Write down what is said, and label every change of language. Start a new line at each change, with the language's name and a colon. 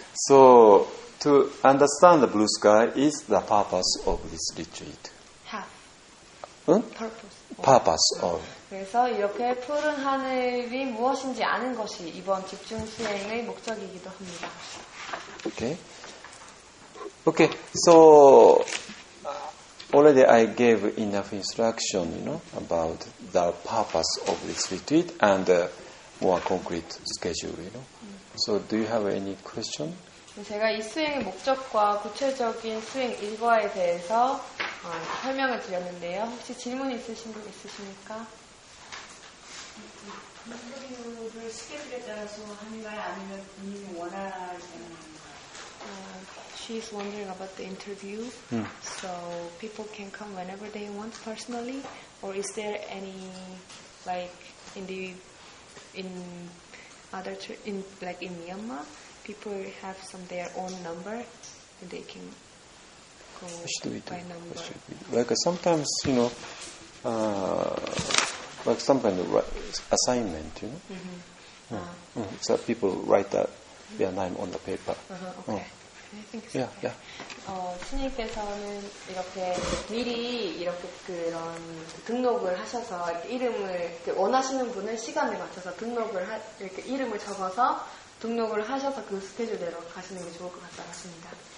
English: So to understand the blue sky is the purpose of this retreat. Purpose of.
Korean: 그래서 이렇게 푸른 하늘이 무엇인지 아는 것이 이번 집중 수행의 목적이기도 합니다.
English: Okay. Okay. So already I gave enough instruction, you know, about the purpose of this retreat and more concrete schedule, you know. So do you have any question?
Korean: 제가 이 수행의 목적과 구체적인 수행 일과에 대해서 설명을 드렸는데요. 혹시 질문 있으신 분 있으십니까? 목표를 스케줄에 따라서 하는가요? 아니면 본인이 원하는가요?
English: She's wondering about the interview. So people can come whenever they want personally, or is there any like in Myanmar? People have some their own number, and they can go by number. Like sometimes, you know, like some kind of assignment, you know. So people write their name on the paper. Okay. I think so. Yeah, yeah.
Korean: 스님께서는 이렇게 미리 이렇게 그런 등록을 하셔서 이름을 원하시는 분을 시간에 맞춰서 등록을 이렇게 이름을 적어서. 등록을 하셔서 그 스케줄대로 가시는 게 좋을 것 같습니다.